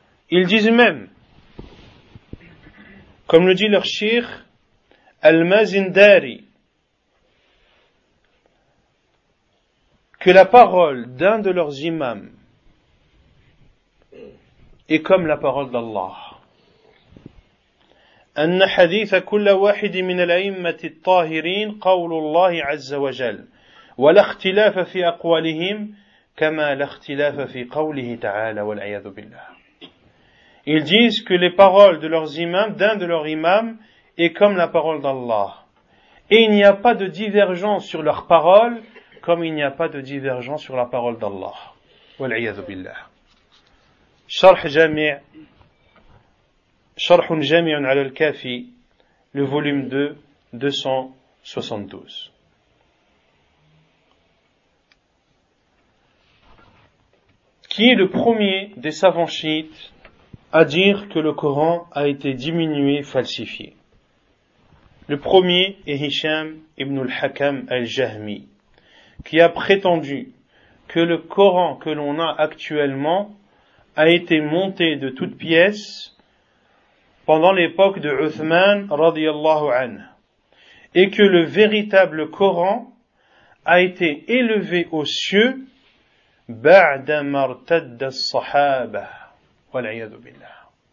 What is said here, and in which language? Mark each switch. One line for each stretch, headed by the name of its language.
French: Ils disent même, comme le dit leur cheikh Al-Mazindari, que la parole d'un de leurs imams est comme la parole d'Allah.
Arabic: أن حديث كل واحد من الأئمة الطاهرين قول الله عز وجل ولا اختلاف في أقوالهم كما لا اختلاف في قوله تعالى والعياذ بالله.
French: Ils disent que les paroles de leurs imams, d'un de leurs imams, est comme la parole d'Allah. Et il n'y a pas de divergence sur leurs paroles comme il n'y a pas de divergence sur la parole d'Allah.
Arabic: والعياذ بالله. شرح جامع شرح جامع على الكافي
French: le volume 2 272. Qui est le premier des savants chiites à dire que le Coran a été diminué, falsifié? Le premier est Hisham ibn al-Hakam al-Jahmi, qui a prétendu que le Coran que l'on a actuellement a été monté de toutes pièces pendant l'époque de Uthman radiallahu anhu, et que le véritable Coran a été élevé aux cieux
Arabic: ba'da martadda as-sahaba wal iyadu billah.